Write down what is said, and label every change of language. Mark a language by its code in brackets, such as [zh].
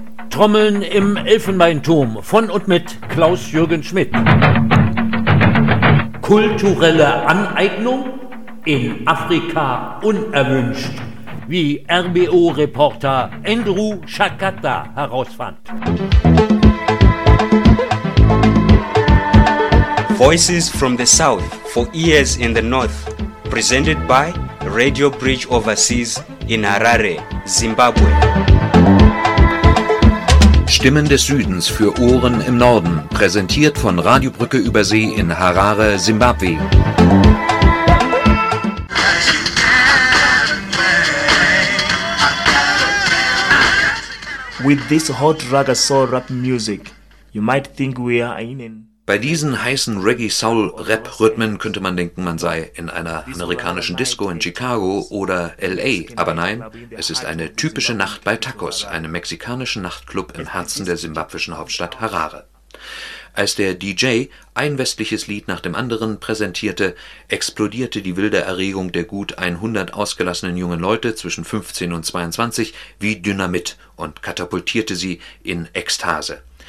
[de] Trommeln im Elfenbeinturm von und mit Klaus-Jürgen Schmidt. Kulturelle Aneignung in Afrika unerwünscht, wie RBO-Reporter Andrew Shakata herausfand. [en] Voices from the South for Ears in the North, presented by Radio Bridge Overseas in Harare, Zimbabwe. [de] Stimmen des Südens für Ohren im Norden, präsentiert von Radiobrücke Übersee in Harare, Zimbabwe. [en] With this hot ragga soul rap music, you might think we are in. [de] Bei diesen heißen Reggae-Soul-Rap-Rhythmen könnte man denken, man sei in einer amerikanischen Disco in Chicago oder L.A. Aber nein, es ist eine typische Nacht bei Tacos, einem mexikanischen Nachtclub im Herzen der simbabwischen Hauptstadt Harare. Als der DJ ein westliches Lied nach dem anderen präsentierte, explodierte die wilde Erregung der gut 100 ausgelassenen jungen Leute zwischen 15 und 22 wie Dynamit und katapultierte sie in Ekstase.